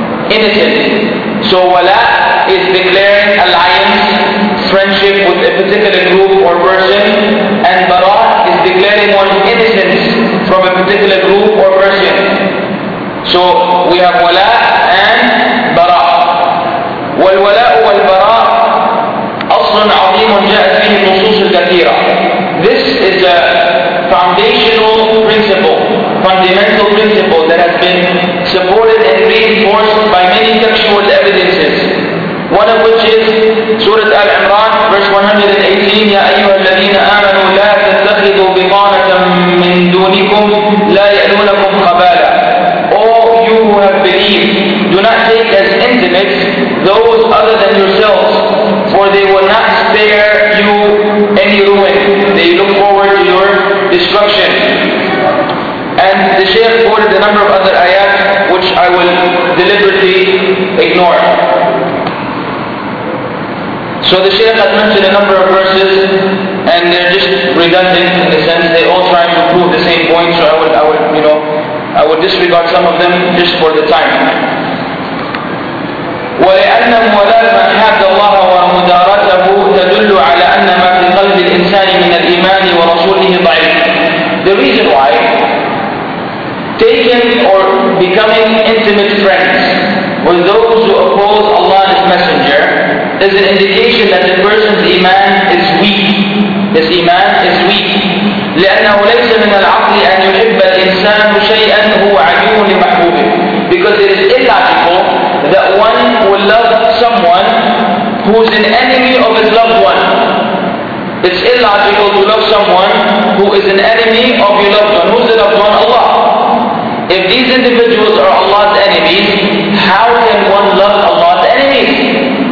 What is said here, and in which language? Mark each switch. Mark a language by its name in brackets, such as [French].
[English] Innocent. So wala is declaring alliance, friendship with a particular group or person, and bara is declaring one's innocence from a particular group or person. So we have wala and bara. [Arabic] والولاء والبراء أصل عظيم جاءت فيه النصوص الكثيرة. [English] This is a foundational principle, fundamental principle that has been supported and reinforced by many textual evidences. One of which is سورة آل عمران verse 118. [Arabic] يا أيها الذين آمنوا لا تتخذوا بطانة من دونكم لا يألونكم خبالا. [English] All you who have believed, do not take as intimates those other than yourselves, for they will not spare you any ruin. They look forward to your destruction. And the Shaykh quoted a number of other ayat, which I will deliberately ignore. So the Shaykh has mentioned a number of verses, and they're just redundant in the sense they all try to prove the same point. So I would disregard some of them just for the time. [Arabic] ولأن مولاه من حاد الله ومدارته تدل على أن ما في قلب الإنسان من الإيمان ورسوله ضعيف. [English] The reason why taking or becoming intimate friends with those who oppose Allah and His Messenger is an indication that the person's iman is weak. His iman is weak. [Arabic] لأنه ليس من العقل أن يحب الإنسان شيئا هو عدو لمحبوبه. [English] Because it is illogical that one will love someone who is an enemy of his loved one. It's illogical to love someone who is an enemy of your loved one. Who's the loved one? Allah. If these individuals are Allah's enemies, how can one love Allah's enemies?